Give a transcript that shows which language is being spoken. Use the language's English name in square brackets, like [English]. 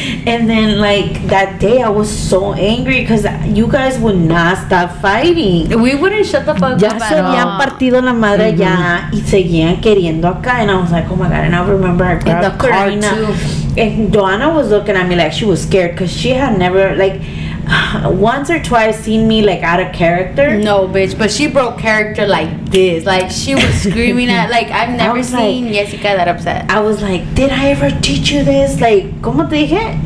[English] And then, like, that day I was so angry because you guys would not stop fighting. We wouldn't shut the fuck up. [Spanish] Ya se habían partido la madre ya y seguían queriendo acá. [English] And I was like, oh my God. And I remember our girl, Karina. And Donna was looking at me like she was scared because she had never, like, once or twice seen me, like, out of character. No, bitch, but she broke character like this. Like, she was screaming at, like, I've never seen Jessica that upset. I was like, did I ever teach you this? Like, [Spanish] ¿cómo te dije?